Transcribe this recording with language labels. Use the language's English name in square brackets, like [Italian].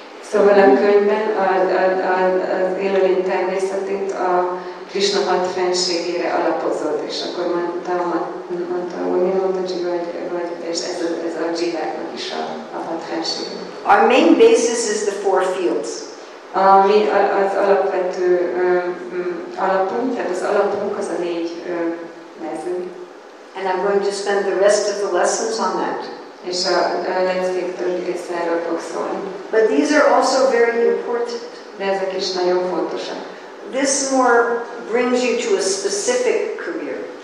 [Hungarian] Szóval a könyvben az élőlény természetét a Krishna hat fennségére alapozott, és akkor mondta, hogy mi mondta, hogy ez a dzsíváknak is a hat fennsége. [English] Our main basis is the four fields. [Hungarian] Ami az alapvető alapunk, tehát az alapunk az a négy mező. [English] And I'm going to spend the rest of the lessons on that. [Hungarian] És a lecsék többi része erről fog szólni. [English] But these are also very important. [Hungarian] De ezek is nagyon fontosak. [English] This more brings you to a specific career.